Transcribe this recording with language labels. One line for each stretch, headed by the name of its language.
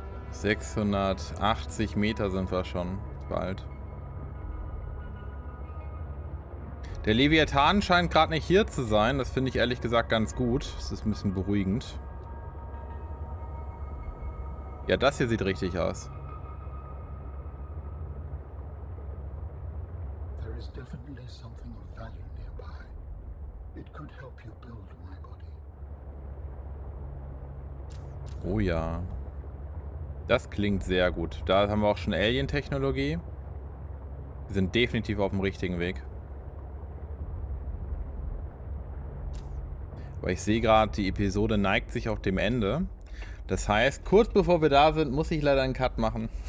German: 680 Meter sind wir schon bald. Der Leviathan scheint gerade nicht hier zu sein. Das finde ich ehrlich gesagt ganz gut. Das ist ein bisschen beruhigend. Ja, das hier sieht richtig aus.
English: There is definitely something of value nearby. It could help you build my body.
German: Oh ja. Das klingt sehr gut. Da haben wir auch schon Alien-Technologie. Wir sind definitiv auf dem richtigen Weg. Aber ich sehe gerade, die Episode neigt sich auch dem Ende. Das heißt, kurz bevor wir da sind, muss ich leider einen Cut machen.